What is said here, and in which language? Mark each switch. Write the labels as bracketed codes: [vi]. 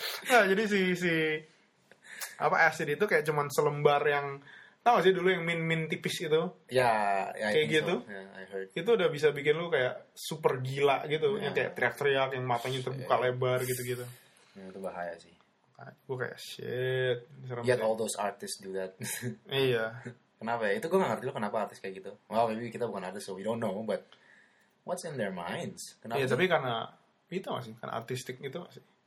[id] Nah jadi si apa acid itu kayak cuman selembar yang tau gak sih dulu yang min tipis itu. Ya. Kayak gitu. [en] So. Yeah, I heard. [id] Itu udah bisa bikin lu kayak super gila gitu. Yeah. Yang kayak teriak-teriak yang matanya terbuka lebar gitu-gitu. Yeah, itu bahaya sih. Gue kayak shit. [en] Yet all those artists do that. [id] Iya. Kenapa ya? Itu gue gak ngerti lu kenapa artis kayak gitu. [en] Well maybe kita bukan artis so we don't know but. What's in their minds? [id] Kenapa? Iya, tapi karena itu masih kan artistik gitu masih.